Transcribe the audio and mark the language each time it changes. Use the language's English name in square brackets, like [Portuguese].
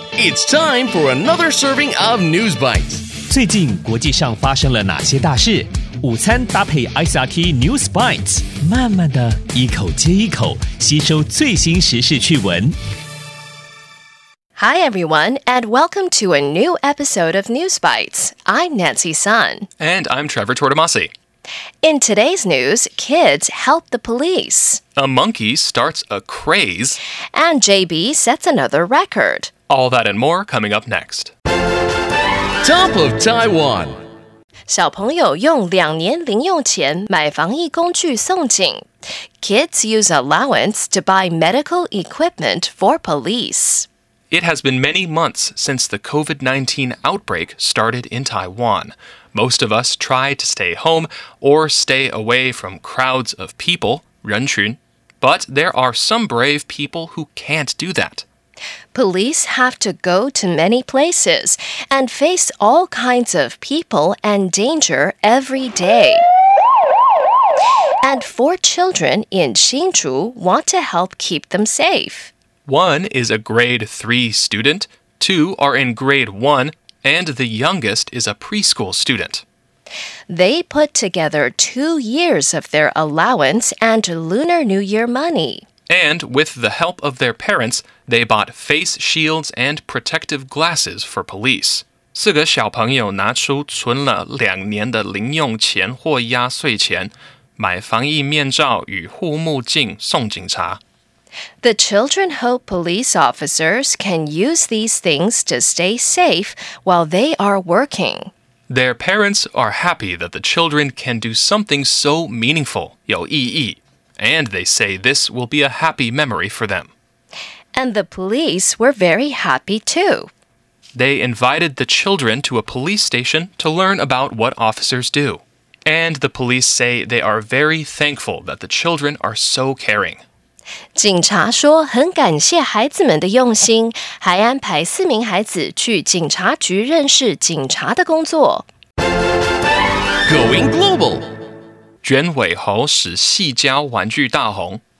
[English] It's time for another serving of News Bites. [Chinese] 最近国际上发生了哪些大事？午餐搭配 ICRT News Bites， 慢慢的一口接一口，吸收最新时事趣闻。 [English] Hi everyone, and welcome to a new episode of News Bites. I'm Nancy Sun. And I'm Trevor Tortomasi. In today's news, kids help the police. A monkey starts a craze. And JB sets another record. All that and more coming up next. Top of Taiwan. [Chinese] 小朋友用两年零用钱买防疫工具送警。 [English] Kids use allowance to buy medical equipment for police. It has been many months since the COVID-19 outbreak started in Taiwan. Most of us try to stay home or stay away from crowds of people, [Chinese] 人群, [English] but there are some brave people who can't do that. Police have to go to many places and face all kinds of people and danger every day. And four children in Hsinchu want to help keep them safe. One is a grade 3 student, two are in grade 1, and the youngest is a preschool student. They put together 2 years of their allowance and Lunar New Year money. And with the help of their parents, they bought face shields and protective glasses for police. [Chinese] 四个小朋友拿出存了两年的零用钱或压岁钱，买防疫面罩与护目镜送警察。 [English] The children hope police officers can use these things to stay safe while they are working. Their parents are happy that the children can do something so meaningful, [Chinese] 有意义, [English] and they say this will be a happy memory for them. And the police were very happy too. They invited the children to a police station to learn about what officers do. And the police say they are very thankful that the children are so caring. [Chinese] 警察说很感谢孩子们的用心，还安排四名孩子去警察局认识警察的工作。 [English] Going global， [Chinese] 卷尾猴使细胶玩具大红。